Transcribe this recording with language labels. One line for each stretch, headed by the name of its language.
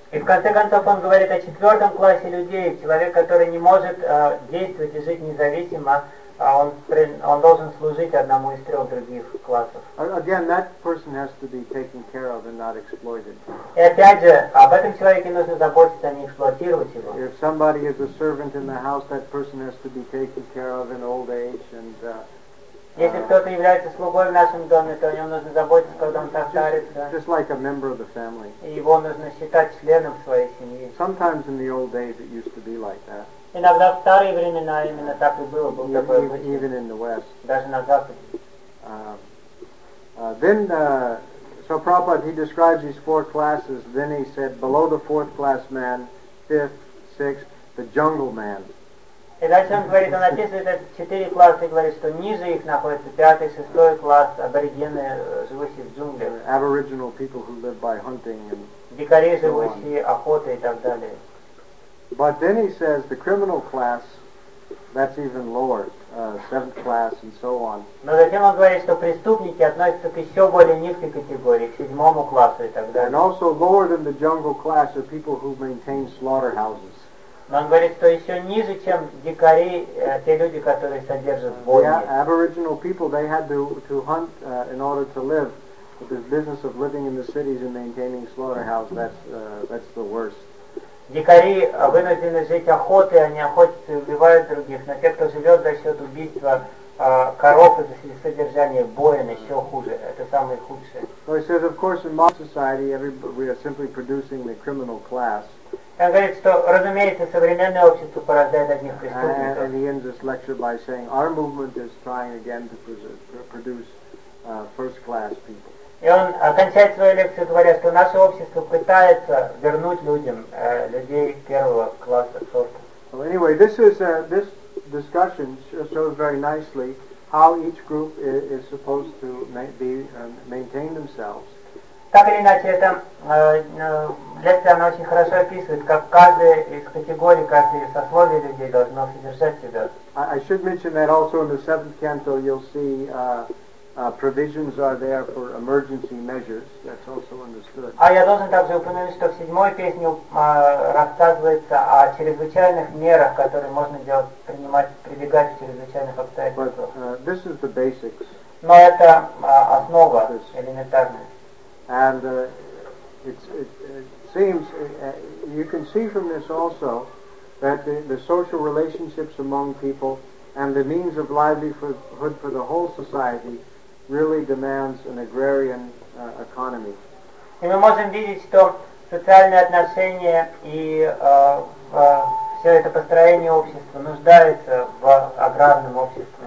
Russian: И в конце концов он говорит о четвертом классе людей, человек, который не может действовать и жить независимо, он должен служить одному из трех других классов.
English: Again, that person has to be taken care of and not exploited.
Russian: И опять же, об этом человеке нужно заботиться, а не эксплуатировать его.
English: If somebody is a servant in the house, that person has to be taken care of in old age and.
Russian: Если кто-то является слугой в нашем доме, то о нем нужно заботиться, когда он состарится.
English: Just like a member of the family.
Russian: И его нужно считать членом своей семьи.
English: Sometimes in the old days it used to be like that.
Russian: Иногда в старые времена именно так и было, был такой обычай.
English: Even in the West.
Russian: Даже на Западе.
English: So Prabhupada, he describes these four classes. Then he said, below the fourth class man, fifth, sixth, the jungle man.
Russian: И дальше он говорит, он описывает это четыре класса и говорит, что ниже их находится пятый, шестой класс, аборигены, живущие в джунглях.
English: Aboriginal people who live by hunting and.
Russian: Дикари, живущие охотой и так далее.
English: But then he says the criminal class, that's even lower, seventh class and so on.
Russian: Но затем он говорит, что преступники относятся к еще более низкой категории, к седьмому классу и так далее.
English: And also lower than the jungle class are people who maintain slaughterhouses.
Russian: Но он говорит, что еще ниже, чем дикари, те люди, которые содержат бойни.
English: Yeah, aboriginal people, they had to hunt in order to live. But this business of living in the cities and maintaining slaughterhouses, that's the worst.
Russian: Дикари вынуждены жить охотой, они охотятся и убивают других, но те, кто живет за счет убийства коров и содержания боен, еще хуже, это самое худшее.
English: So he says, of course, in modern society, we are simply producing the criminal class.
Russian: Я говорю, что, разумеется, современное общество порождает одних преступников.
English: And he ends this lecture by saying, our movement is trying again to produce first-class people.
Russian: И он окончает свою лекцию, говоря, что наше общество пытается вернуть людям людей первого класса сорта.
English: Well, anyway, this discussion shows very nicely how each group is supposed to maintain themselves.
Russian: Так или иначе, эта лекция, она очень хорошо описывает, как каждая из категорий, каждое сословие людей должно содержать себя.
English: I should mention that also in the seventh canto you'll see provisions are there for emergency measures. That's also understood.
Russian: А я должен также упомянуть, что в седьмой песне рассказывается о чрезвычайных мерах, которые можно делать, прибегать в чрезвычайных обстоятельствах.
English: But this is the basics.
Russian: Но это основа, элементарная.
English: And it seems you can see from this also that the social relationships among people and the means of livelihood for the whole society really demands an agrarian economy.
Russian: И мы можем видеть, что социальные отношения и все это построение общества нуждается в аграрном обществе.